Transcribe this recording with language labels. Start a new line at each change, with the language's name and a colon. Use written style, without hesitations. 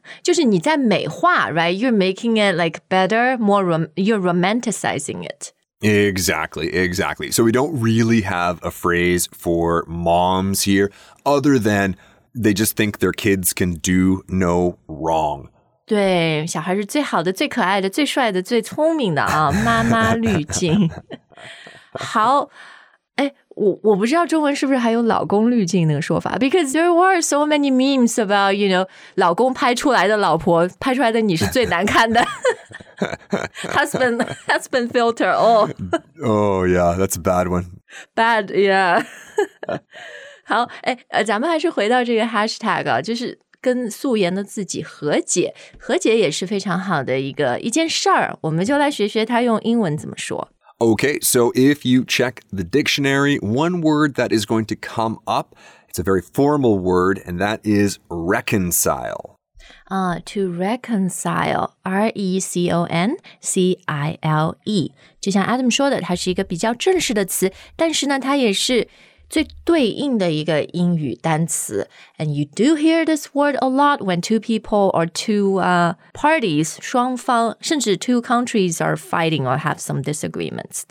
Chinese: 就是你在美化
English: right? You're making it like better, more you're romanticizing it. Exactly, exactly. So we don't really have a phrase for moms here, other than they just think their kids can do no wrong.
Chinese: 对，小孩是最好的、最可爱的、最帅的、最聪明的啊！妈妈滤镜。好，哎，我不知道中文是不是还有老公滤镜那个说法 ？
English: Because there were so many memes about you know
Chinese: 老公拍出来的老婆拍出来的你是最难看的。
English: husband filter. Oh yeah, that's a bad one. Bad, yeah.
Chinese: 好，哎，咱们还是回到这个 hashtag 啊，就是。跟素颜的自己和解，和解也是非常好的一件事儿。我们就来学学它用英文怎么说。
English: Okay, so if you check the dictionary, one word that is going to come up, it's a very formal word, and that is reconcile. To reconcile, R-E-C-O-N-C-I-L-E.
Chinese: 就像 Adam 说的，它是一个比较正式的词，但是呢，它也是最对应的一个英语单词
English: And you do hear this word a lot when two people or two parties,
Chinese: 双方甚至
English: two countries are fighting or have some disagreements.